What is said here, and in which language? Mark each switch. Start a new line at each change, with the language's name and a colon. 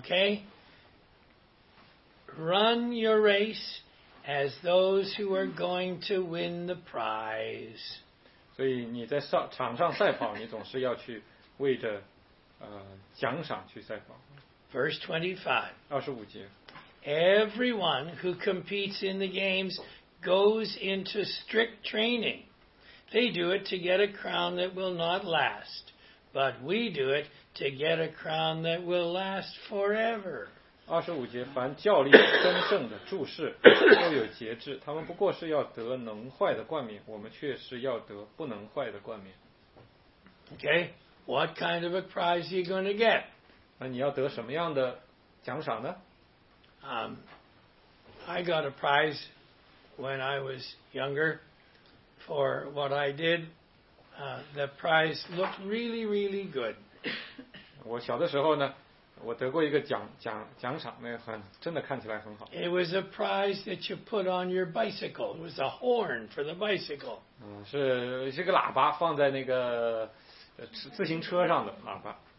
English: Okay. Run your race as those who are going to win the prize.
Chinese: 所以你在场上赛跑，你总是要去为着奖赏去赛跑。
English: Verse 25。
Chinese: 二十五节。
English: Everyone who competes in the games goes into strict training. They do it to get a crown that will not last, but we do it to get a crown that will last forever.
Chinese: 二十五节，凡教力争胜的注视都有节制，他们不过是要得能坏的冠冕，我们却是要得不能坏的冠冕。
English: Okay, what kind of a prize are you going to get?
Chinese: 那你要得什么样的奖赏呢
English: ？I got a prize when I was younger for what I did. The prize looked really, really good.
Chinese: 我小的时候呢。我得过一个奖赏，那个、很真的看起来很好。
English: It was a prize that you put on your bicycle. It was a horn for the bicycle.
Chinese: 是个喇叭放在那个自行车上的喇叭。